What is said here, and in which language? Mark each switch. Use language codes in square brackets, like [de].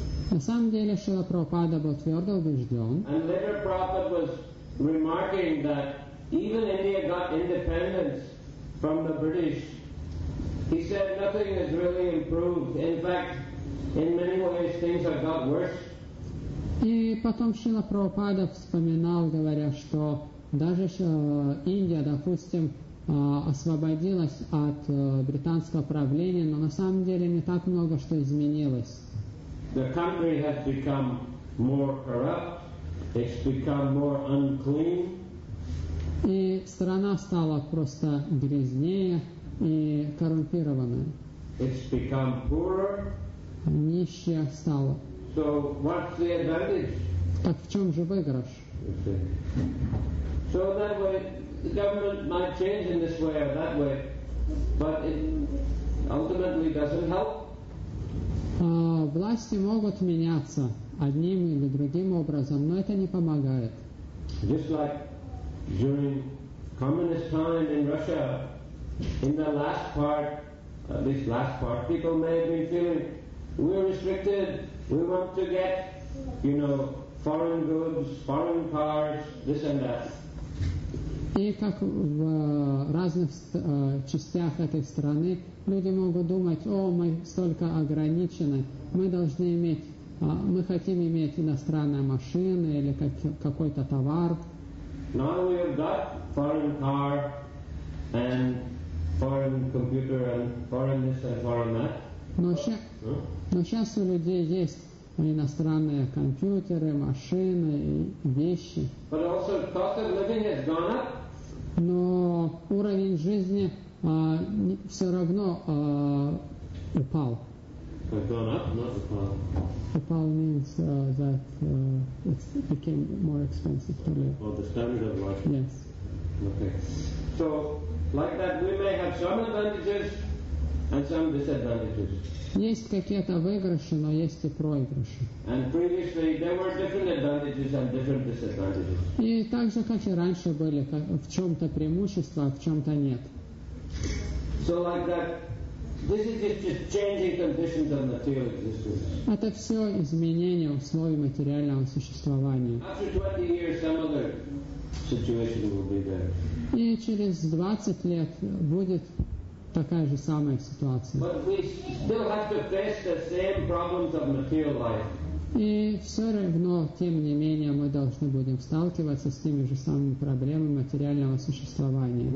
[ru] На самом деле Шрила Прабхупада был твердо убежден. [en] And later Prabhupada was remarking that even India got independence from the British, he said nothing has really improved. In fact, in many ways things have got worse. [ru] И потом Шрила Прабхупада вспоминал, говоря, что даже Индия, допустим, освободилась от британского правления, но на самом деле не так много что изменилось. [en] The country has become more corrupt. It's become more unclean. [ru] И страна стала просто грязнее и коррумпированной. [en] It's become poorer. [ru] Нищее стало. [en] So what's the advantage? [ru] Так в чем же выигрыш? [en] So that way, the government might change in this way or that way, but it ultimately doesn't help. [ru] Власти могут меняться одним или другим образом, но это не помогает. [en] Just like during communist time in Russia, in the last part, at least last part, people may have been feeling, we're restricted, we want to get, you know, foreign goods, foreign cars, this and that. [ru] И как в разных частях этой страны люди могут думать, о, мы столько ограничены, мы должны иметь, мы хотим иметь иностранные машины или какой-то товар. [en] Now we have got foreign car and foreign computer and foreign this and foreign that. [ru] Но сейчас у людей есть иностранные компьютеры, машины и вещи. [en] But also cost of living has gone up. [ru] Но уровень жизни все равно упал. [en] Упал means that it became more expensive to live. Oh, the standard of life. Yes. Okay. So, like that, we may have some advantages and some disadvantages. [ru] Есть какие-то выигрыши, но есть и проигрыши. [en] And previously there were different advantages and different disadvantages. [ru] И так же, как и раньше были, в чем-то преимущества, а в чем-то нет. [en] So like that, this is just changing conditions of material existence. [ru] Это все изменение условий материального существования. [en] After 20 years, some other situation will be there. [ru] И через 20 лет будет такая же самая ситуация. [en] But we still have to face the same problems of material life. [ru] И все равно, тем не менее, мы должны будем сталкиваться с теми же самыми проблемами материального существования.